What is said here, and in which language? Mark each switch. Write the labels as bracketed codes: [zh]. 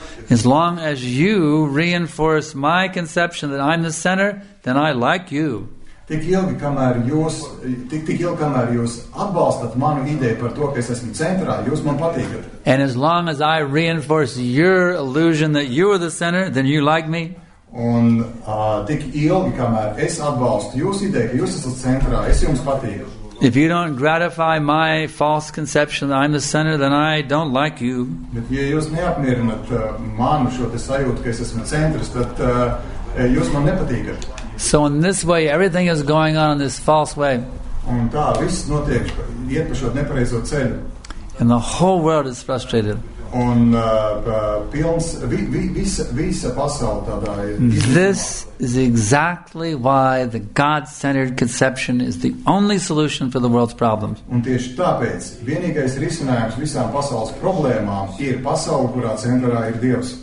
[en] As long as you reinforce my conception that I'm the center, then I like you. [lv] Tik ilgi, kamēr jūs atbalstat manu ideju par to, ka es esmu centrā, jūs man patīkat. [en] And as long as I reinforce your illusion that you are the center, then you like me. [lv] Un tik ilgi, kamēr es atbalstu jūsu ideju, ka jūs esat centrā, es jums patīku. [en] If you don't gratify my false conception that I'm the center, then I don't like you. [lv] Bet ja jūs neapmierinat manu šo te sajūtu, ka es esmu centrs, tad jūs man nepatīkat. [en] So in this way, everything is going on in this false way. [lv] Un tā, viss notiek, iet pa šo nepareizo ceļu. [en] And the whole world is frustrated. [lv] Un pilns, visa pasaule tādā ir. [en] This is exactly why the God-centered conception is the only solution for the world's problems. [lv] Un tieši tāpēc, vienīgais risinājums visām pasaules problēmām ir pasaule, kurā centrā ir Dievs.